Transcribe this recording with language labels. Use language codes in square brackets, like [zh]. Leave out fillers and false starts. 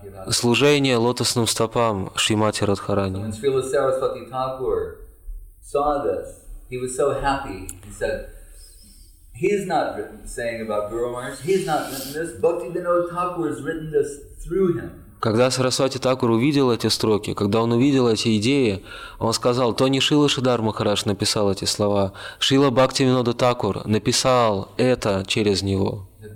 [ru] Служение лотосным стопам Шримати Радхарани. [en] When Srila Saraswati Thakur saw this, he was so happy. He said, he's not written saying about Guru Maharaj, he's not written this, Бхактивинода Такур has written this through him. [ru] Когда Сарасвати Такур увидел эти строки, когда он увидел эти идеи, он сказал, то не Шрила Шридхар Махарадж написал эти слова, Шрила Бхактивинода Такур написал это через него.